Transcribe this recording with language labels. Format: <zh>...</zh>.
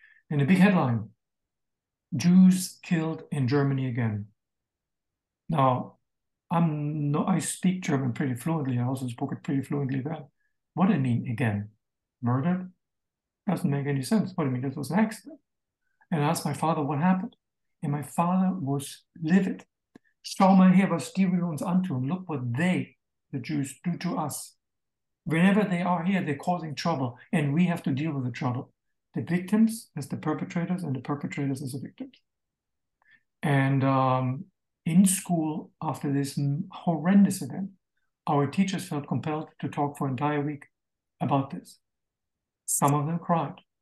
<en>And a big headline, Jews killed in Germany again. Now, I speak German pretty fluently. I also spoke it pretty fluently then. What do I mean, again? Murder? Doesn't make any sense. What do you mean? This was an accident. And I asked my father what happened. And my father was livid.</en> <de>Schau mal hier, was die wir uns antun.</de> <en>Look what they, the Jews, do to us. Whenever they are here, they're causing trouble. And we have to deal with the trouble. The victims as the perpetrators and the perpetrators as the victims. And in school, after this horrendous event, our teachers felt compelled to talk for an entire week about this. Some of them cried.</en>